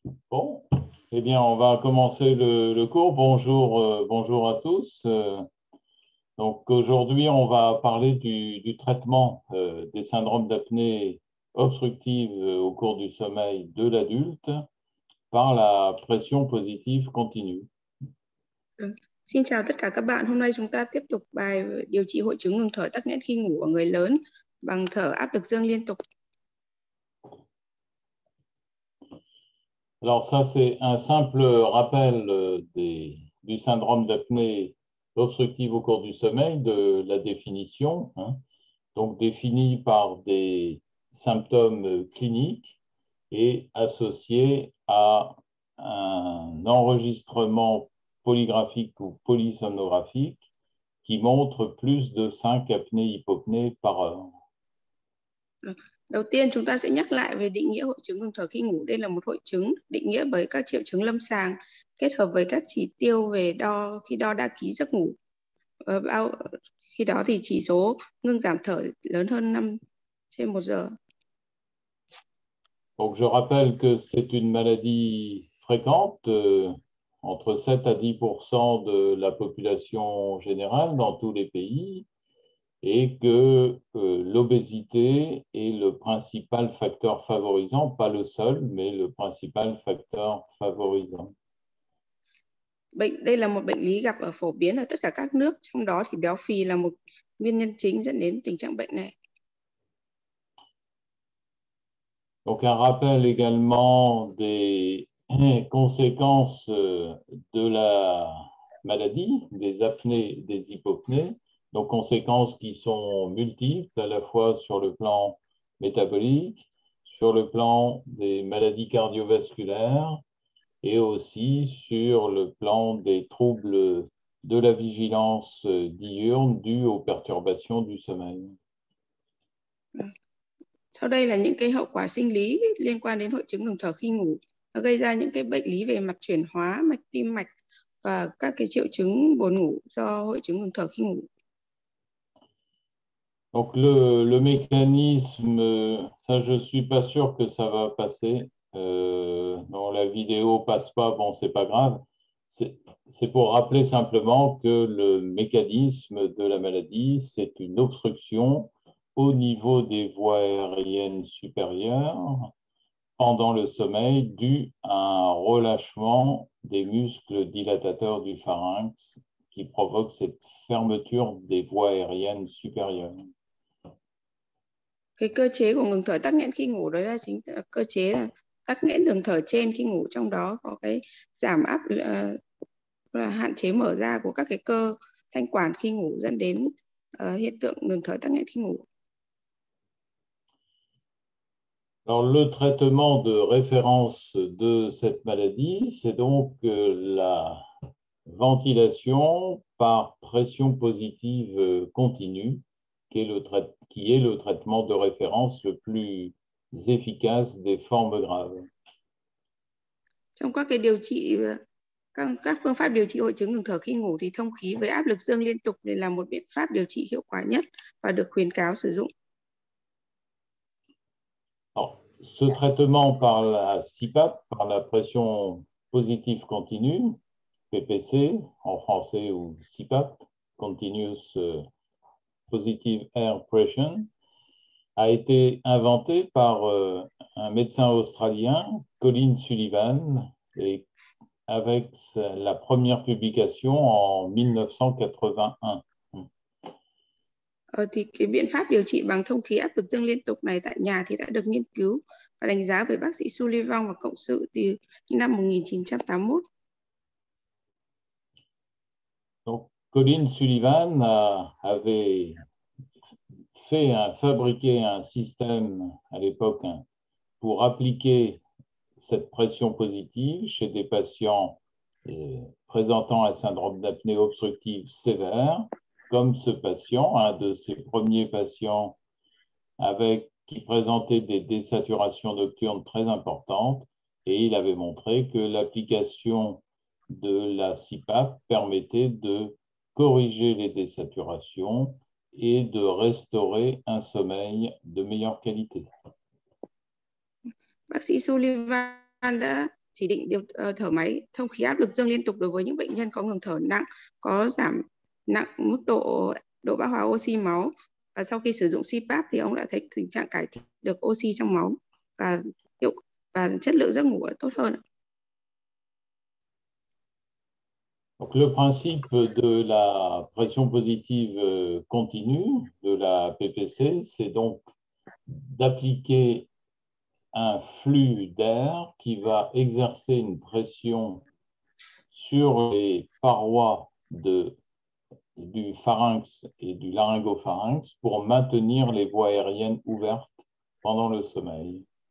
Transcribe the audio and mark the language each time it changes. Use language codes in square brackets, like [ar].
[fr] Bon, eh bien, on va commencer le cours. Bonjour, bonjour à tous. Donc, aujourd'hui, on va parler du traitement des syndromes d'apnée obstructive au cours du sommeil de l'adulte par la pression positive continue. [vi] Xin chào tất cả các bạn. Hôm nay chúng ta tiếp tục bài điều trị hội chứng ngừng thở tắc nghẽn khi ngủ ở người lớn bằng thở áp lực dương liên tục. [fr] Alors ça c'est un simple rappel du syndrome d'apnée obstructive au cours du sommeil de la définition, hein, donc définie par des symptômes cliniques et associés à un enregistrement polygraphique ou polysonographique qui montre plus de 5 apnées hypopnées par heure. [vi] Đầu tiên, chúng ta sẽ nhắc lại về định nghĩa hội chứng ngừng thở khi ngủ. Đây là một hội chứng định nghĩa bởi các triệu chứng lâm sàng kết hợp với các chỉ tiêu về đo khi đo đa ký giấc ngủ. Khi đó thì chỉ số ngừng giảm thở lớn hơn 5 trên 1 giờ. [fr] Donc, je rappelle que c'est une maladie fréquente. Entre 7 à 10 % de la population générale dans tous les pays et que l'obésité est le principal facteur favorisant, pas le seul, mais le principal facteur favorisant. [vi] Bệnh, đây là một bệnh lý gặp ở phổ biến ở tất cả các nước, trong đó thì béo phì là một nguyên nhân chính dẫn đến tình trạng bệnh này. [fr] Donc un rappel également conséquences de la maladie, des apnées, des hypopnées, donc conséquences qui sont multiples, à la fois sur le plan métabolique, sur le plan des maladies cardiovasculaires et aussi sur le plan des troubles de la vigilance diurne dues aux perturbations du sommeil. [vi] Sau đây là những cái hậu quả sinh lý liên quan đến hội chứng ngừng thở khi ngủ. Nó gây ra những cái bệnh lý về mặt chuyển hóa, mạch tim mạch và các cái triệu chứng buồn ngủ do hội chứng ngừng thở khi ngủ. [fr] Donc le mécanisme, ça je suis pas sûr que ça va passer. Non, la vidéo passe pas, bon c'est pas grave. C'est pour rappeler simplement que le mécanisme de la maladie, c'est une obstruction au niveau des voies aériennes supérieures pendant le sommeil dû à un relâchement des muscles dilatateurs du pharynx qui provoque cette fermeture des voies aériennes supérieures. [vi] Cái cơ chế của ngừng thở tắc nghẽn khi ngủ đó là chính là cơ chế là tắc nghẽn đường thở trên khi ngủ, trong đó có cái giảm áp là hạn chế mở ra của các cái cơ thanh quản khi ngủ dẫn đến hiện tượng ngừng thở tắc nghẽn khi ngủ. [fr] Alors, le traitement de référence de cette maladie, c'est donc la ventilation par pression positive continue, qui est le traitement de référence le plus efficace des formes graves. [vi] Trong các cái điều trị, các phương pháp điều trị hội chứng ngừng thở khi ngủ thì thông khí với áp lực dương liên tục là một biện pháp điều trị hiệu quả nhất và được khuyến cáo sử dụng. [fr] Alors, ce traitement par la CPAP, par la pression positive continue, PPC en français ou CPAP, [en] Continuous Positive Air Pressure, [fr] a été inventé par un médecin australien, Colin Sullivan, et avec la première publication en 1981. [vi] Thì cái biện pháp điều trị bằng thông khí áp lực dương liên tục này tại nhà thì đã được nghiên cứu và đánh giá bởi bác sĩ Sullivan và cộng sự từ năm 1981. [fr] Donc, Colin Sullivan avait fabriqué un système à l'époque pour appliquer cette pression positive chez des patients présentant un syndrome d'apnée obstructive sévère, comme ce patient, un de ses premiers patients qui présentait des désaturations nocturnes très importantes, et il avait montré que l'application de la CPAP permettait de corriger les désaturations et de restaurer un sommeil de meilleure qualité. [vi] Bác sĩ Sullivan đã chỉ định điều thở máy thông khí áp lực dương liên tục đối với những bệnh nhân có ngừng thở nặng, có giảm nặng mức độ độ bão hòa oxy máu, và sau khi sử dụng CPAP thì ông đã thấy tình trạng cải thiện được oxy trong máu và chất lượng giấc ngủ tốt hơn. [fr] Donc, le principe de la pression positive continue de la PPC, c'est donc d'appliquer un flux d'air qui va exercer une pression sur les parois du pharynx et du laryngopharynx pour maintenir les voies aériennes ouvertes pendant le sommeil.